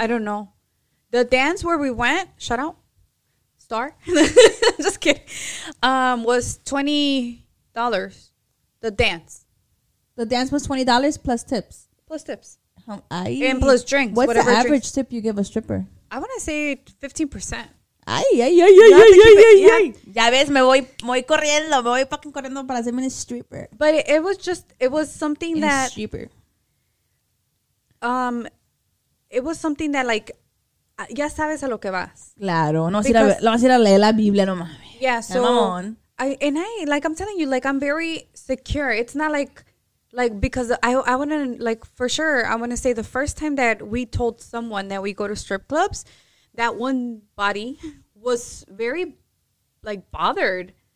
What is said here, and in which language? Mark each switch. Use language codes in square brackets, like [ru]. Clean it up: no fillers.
[en] I don't know. The dance where we went, shout out. Star, just kidding. Was $20 the dance? The dance was $20 plus tips. Plus tips. And plus drinks. What's the average tip you give a stripper? I want to say 15%. [es] Ya ves, me voy corriendo, me voy fucking corriendo para hacerme un stripper. [en] But it was something stripper. It was something that, like, ya sabes a lo que vas. [es] Claro, no vas a ir a ver, lo vas a ir a leer la Biblia, no mames. [en] Yeah, so I'm telling you, like, I'm very secure. It's not like, because I want to, like, for sure, I want to say the first time that we told someone that we go to strip clubs, that one body was very, like, bothered.